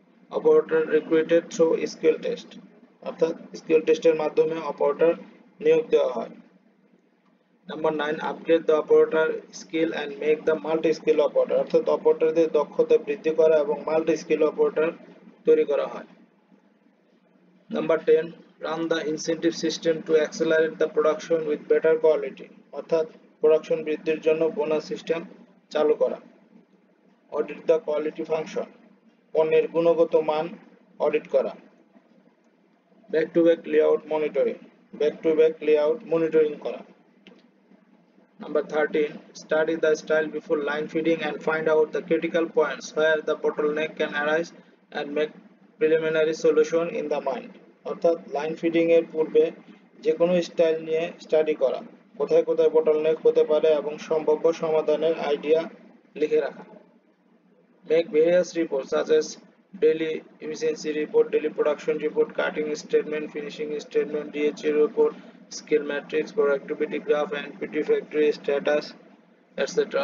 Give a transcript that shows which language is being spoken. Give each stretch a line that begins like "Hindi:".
English: operator recruited through skill test,
Bangla: অর্থাৎ skill টেস্টের মাধ্যমে অপারেটর নিয়োগ দেওয়া হয়।
English: number nine, upgrade the operator skill and make the multi skill operator,
Bangla: অর্থাৎ অপারেটরদের দক্ষতা বৃদ্ধি করা এবং মাল্টি স্কিল অপারেটর তৈরি করা হয়।
English: number ten, run the incentive system to accelerate the production with better quality,
Bangla: অর্থাৎ production বৃদ্ধির জন্য bonus system চালু করা.
English: Audit the quality function,
Bangla: পণ্যের গুণগত মান অডিট করা.
English: Back to back layout monitoring, back to back layout monitoring করা. Number 13, study the style before line feeding and find out the critical points where the bottleneck can arise and make preliminary solution in the mind.
Bangla: অর্থাৎ line feeding এর পূর্বে যে কোনো style নিয়ে study করা, কোথায় কোথায় বটলনেক হতে পারে এবং সম্ভাব্য সমাধানের আইডিয়া লিখে রাখা.
English: Make various reports such as daily efficiency report, daily production report, cutting statement, finishing statement, DHA report, skill matrix, productivity graph, NPT factory status etcetera.